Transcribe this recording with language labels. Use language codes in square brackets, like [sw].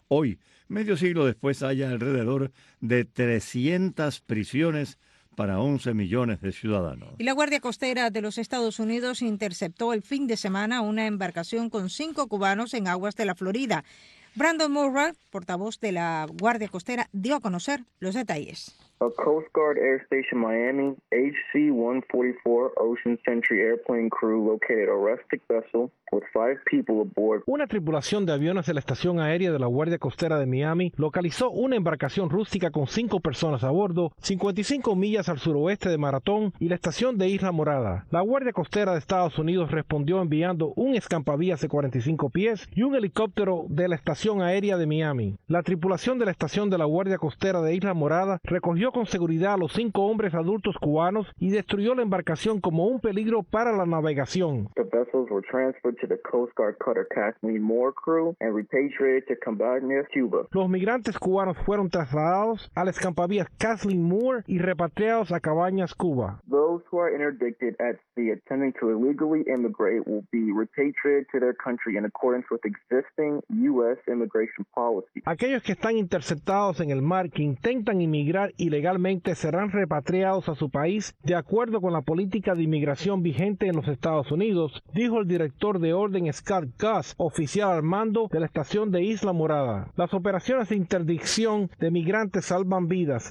[es] Hoy, medio siglo después, hay alrededor de 300 prisiones para 11 millones de ciudadanos. Y la Guardia Costera de los Estados Unidos interceptó el fin de semana una embarcación con 5 cubanos en aguas de la Florida. Brandon Murray, portavoz de la Guardia Costera, dio a conocer los detalles. [en] A Coast Guard Air Station Miami HC-144 Ocean Century Airplane Crew located a rustic vessel with 5 people aboard. [es] Una tripulación de aviones de la estación aérea de la Guardia Costera de Miami localizó una embarcación rústica con 5 personas a bordo, 55 millas al suroeste de Maratón y la estación de Isla Morada. La Guardia Costera de Estados Unidos respondió enviando un escampavías de 45 pies y un helicóptero de la estación aérea de Miami. La tripulación de la estación de la Guardia Costera de Isla Morada recogió con seguridad a los 5 hombres adultos cubanos y destruyó la embarcación como un peligro para la navegación. [en] The vessels were transferred to the Coast Guard cutter Kathleen Moore crew and repatriated to Cabañas, Cuba. [es] Los migrantes cubanos fueron trasladados al escampavías Kathleen Moore y repatriados a Cabañas, Cuba. [en] Those who are interdicted at sea attempting to illegally immigrate will be repatriated to their country in accordance with existing U.S. immigration policy. [es] Aquellos que están interceptados en el mar que intentan inmigrar ilegalmente serán repatriados a su país de acuerdo con la política de inmigración vigente en los Estados Unidos, dijo el director de orden Scott Gus, oficial al mando de la estación de Isla Morada. Las operaciones de interdicción de migrantes salvan vidas.